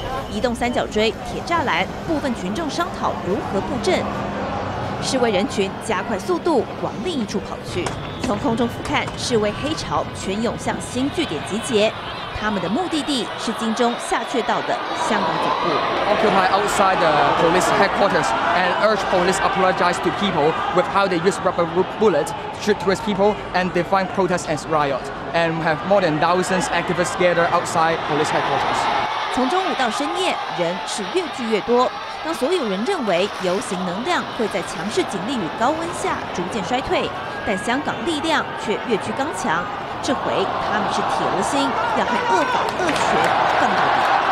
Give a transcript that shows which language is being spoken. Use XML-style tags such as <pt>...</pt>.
<zh>移动三角锥、铁栅栏，部分群众商讨如何布阵。示威人群加快速度往另一处跑去，从空中俯瞰，示威黑潮全涌向新据点集结，他们的目的地是金钟下却道的香港总部。</zh> <en>Occupy outside the police headquarters and urge police apologize to people with how they use rubber bullets, shoot towards people and define protests as riot, and have more than thousands activists gather outside police headquarters.</en> <zh>从中午到深夜，人是越聚越多。当所有人认为游行能量会在强势警力与高温下逐渐衰退，但香港力量却越趋刚强。这回他们是铁了心要和恶法恶权杠到底。</zh>